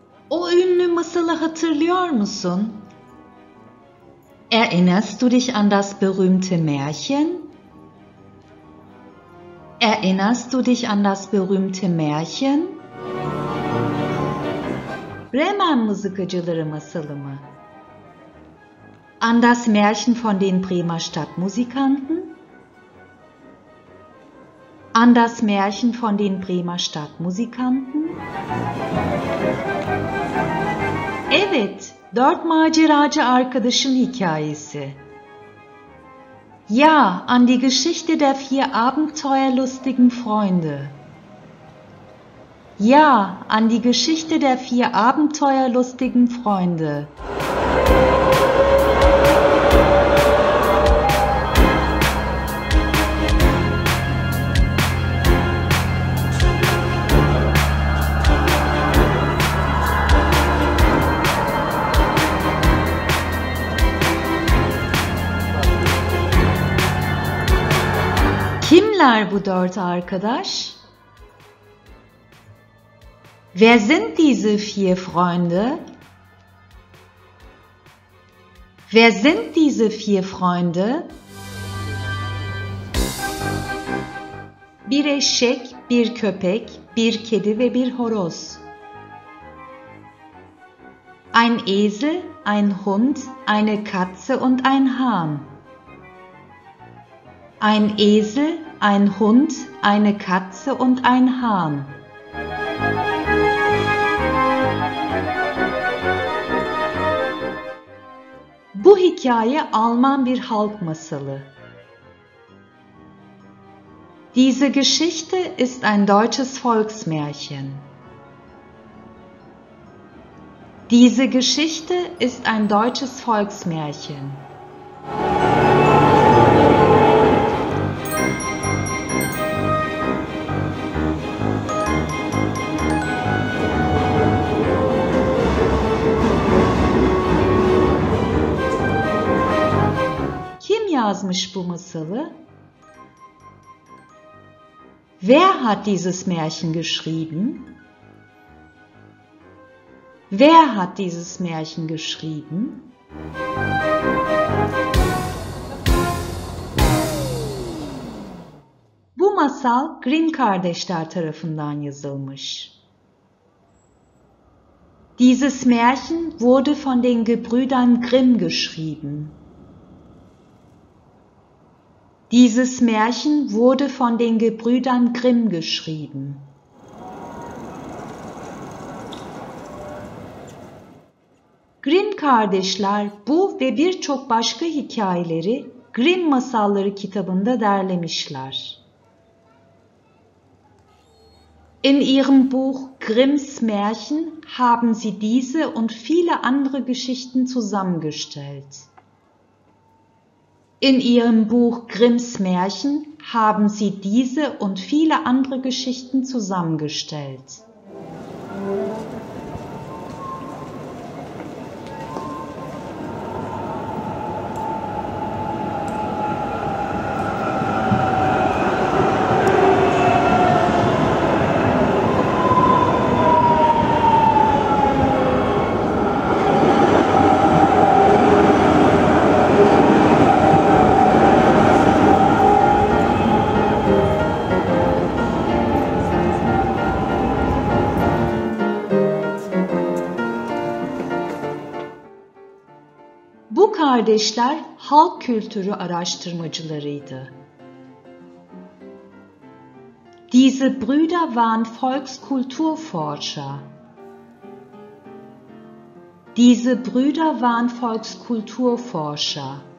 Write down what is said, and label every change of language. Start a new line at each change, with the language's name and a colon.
Turkish: O ünlü masalı hatırlıyor musun?
German: Erinnerst du dich an das berühmte Märchen? Erinnerst du dich an das berühmte Märchen?
Turkish: Bremen Musikacıları masalı mı?
German: An das Märchen von den Bremer Stadtmusikanten? An das Märchen von den Bremer Stadtmusikanten?
Turkish: Evet, Dört Maceracı Arkadaşım Hikayesi.
German: Ja, an die Geschichte der vier abenteuerlustigen Freunde. Ja, an die Geschichte der vier abenteuerlustigen Freunde.
Turkish: Kimler bu dört arkadaş?
German: Wer sind diese vier Freunde? Wer sind diese vier Freunde?
Turkish: Bir eşek, bir köpek, bir kedi ve bir horoz.
German: Ein Esel, ein Hund, eine Katze und ein Hahn. Ein Esel, ein Hund, eine Katze und ein Hahn.
Turkish: Bu hikaye Alman bir halk masalı.
German: Diese Geschichte ist ein deutsches Volksmärchen. Diese Geschichte ist ein deutsches Volksmärchen.
Turkish: Yazmış bu masalı?
German: Wer hat dieses Märchen geschrieben? Wer hat dieses Märchen geschrieben?
Turkish: Bu masal Grimm kardeşler tarafından yazılmış.
German: Dieses Märchen wurde von den Gebrüdern Grimm geschrieben. Dieses Märchen wurde von den Gebrüdern Grimm geschrieben.
Turkish: Grimm kardeşler bu ve birçok başka hikayeleri Grimm Masalları kitabında derlemişler.
German: In ihrem Buch Grimms Märchen haben sie diese und viele andere Geschichten zusammengestellt. In ihrem Buch Grimms Märchen haben sie diese und viele andere Geschichten zusammengestellt.
Turkish: Bu kardeşler halk kültürü araştırmacılarıydı.
German: Diese Brüder waren Volkskulturforscher. Diese Brüder waren Volkskulturforscher.